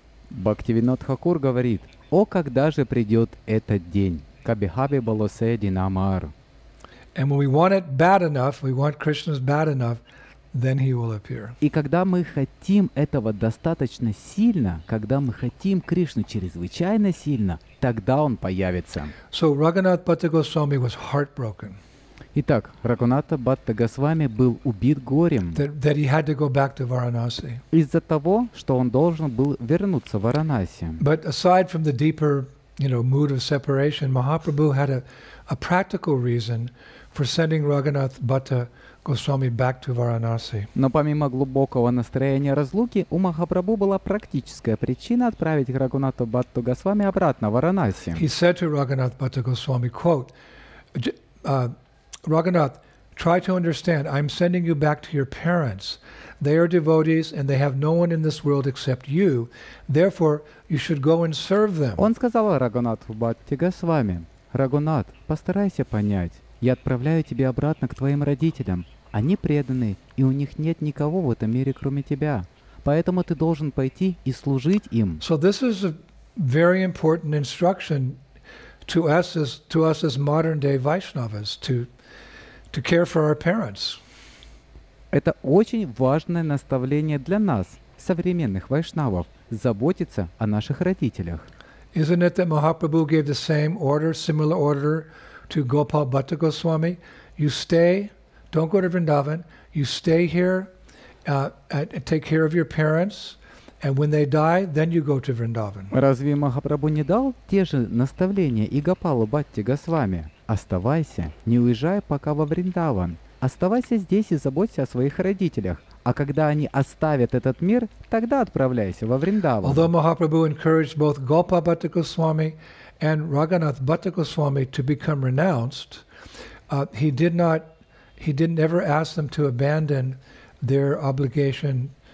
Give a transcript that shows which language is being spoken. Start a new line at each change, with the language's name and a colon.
Russian: Бхактивинод Хакур говорит, о, когда же придет этот день?
Bangla: Кабихаби Балосе Динамар.
English: And when we want it bad enough, we want Krishna's bad enough, then he will appear.
Russian: И когда мы хотим этого достаточно сильно, когда мы хотим Кришну чрезвычайно сильно, тогда он появится.
English: So Raghunath Bhatta Goswami was heartbroken.
Russian: Итак, Рагхунатха Бхатта Госвами был убит горем
English: that he had to go back to Varanasi.
Russian: Из-за того, что он должен был вернуться в Варанаси.
English: But aside from the deeper, you know, mood of separation, Mahaprabhu had a practical reason for sending Raghunath Bhatta Goswami back to Varanasi.
Russian: Но помимо глубокого настроения разлуки, у Махапрабху была практическая причина отправить Рагхунатха Бхатту Госвами обратно в Варанаси.
English: He said to Raghunath Bhatta Goswami, quote, Raghunath, try to understand, I'm sending you back to your parents. They are devotees and they have no one in this world except you. Therefore, you should go and serve them.
Russian: Он сказал Рагхунатху Бхатте Госвами, Рагхунатх, постарайся понять, я отправляю тебя обратно к твоим родителям. Они преданы, и у них нет никого в этом мире, кроме тебя. Поэтому ты должен пойти и служить им.
English: So this is a very important instruction to us as modern day Vaishnavas, to care for our parents.
Russian: Это очень важное наставление для нас, современных вайшнавов, заботиться о наших родителях.
English: Isn't it that Mahaprabhu gave the same order, similar order to Gopal Bhatta Goswami? You stay, don't go to Vrindavan, you stay here, and take care of your parents, and when they die, then you go to Vrindavan.
Russian: Разве Махапрабху не дал те же наставления и Гопалу Бхатте Госвами? Оставайся, не уезжай пока во Вриндаван. Оставайся здесь и заботься о своих родителях. А когда они оставят этот мир, тогда отправляйся во Вриндаван.
English: Although Mahaprabhu encouraged both Gopa Bhatta Goswami and Raghunath Bhatta Goswami to become renounced, he didn't ever ask them to abandon their obligation